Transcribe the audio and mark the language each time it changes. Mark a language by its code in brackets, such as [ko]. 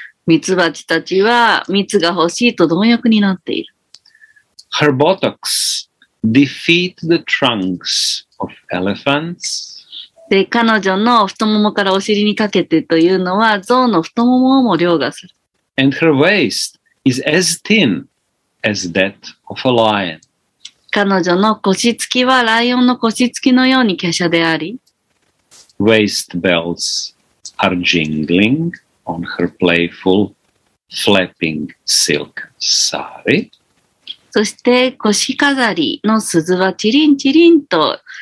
[ja] ミツバチたちは蜜が欲しいと貪欲になっている。 [en] Her buttocks defeat the trunks of elephants. [ja] で、彼女の太ももからお尻にかけてというのは、象の太ももをも凌駕する。 [en] And her waist is as thin as that of a lion. [ja] 彼女の腰つきはライオンの腰つきのように華奢であり。 [en] Waist bells are jingling on her playful flapping silk sari. [ja] そして腰飾りの鈴はチリンチリンと